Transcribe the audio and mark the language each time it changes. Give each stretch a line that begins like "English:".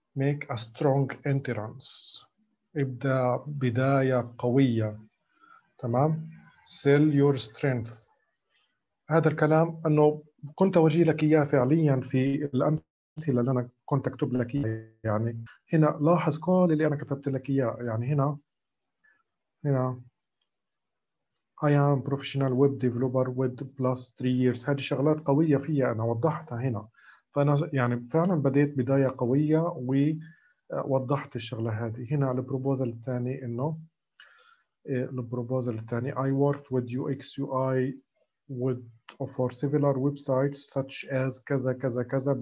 English: Make a strong entrance.
Arabic: ابدأ بداية قوية.
English: تمام sell your strength.
Arabic: هذا الكلام أنه كنت أوجه لك إياه فعليا في الأمثلة اللي أنا كنت أكتب لك إياه. يعني هنا لاحظ كل اللي أنا كتبت لك إياه. يعني هنا
English: I am professional web developer with plus 3 years.
Arabic: هذه شغلات قوية فيها أنا وضحتها هنا. فأنا يعني فعلا بديت بداية قوية ووضحت الشغلة هذه. هنا على البروبوزل الثاني أنه البروبوزل الثاني
English: I worked with UX UI with for similar websites
Arabic: such as كذا كذا كذا.